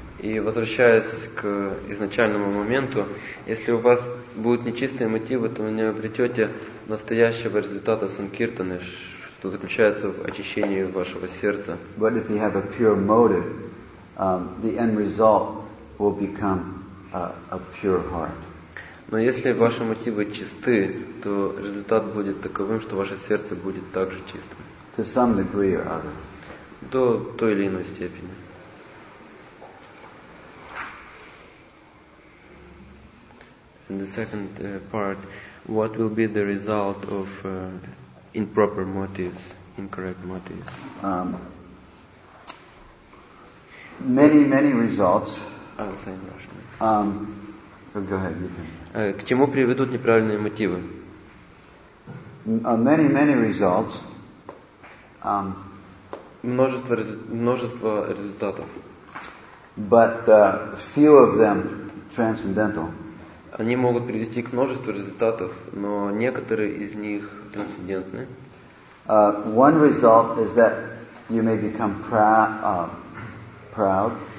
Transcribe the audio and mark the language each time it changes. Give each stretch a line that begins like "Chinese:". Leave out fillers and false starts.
Russian: И возвращаясь к изначальному моменту, если у вас будут нечистые мотивы, то вы не обретете настоящего результата санкиртаны, что заключается в очищении вашего сердца.
English: But if you have a pure motive, the end result will become a pure heart.
Russian: Но если ваши мотивы чисты, то результат будет таковым, что ваше сердце будет также чистым.
English: To some degree or other.
Russian: До той или иной степени.
English: And the second part, what will be the result of improper motives, incorrect motives? Many results. I'll say in Russian. Go ahead.
Russian: К чему приведут неправильные мотивы?
English: Many results.
Russian: Множество результатов.
English: But few of them transcendental.
Russian: Они могут привести к множеству результатов, но некоторые из них трансцендентны.
English: One result is that you may become proud.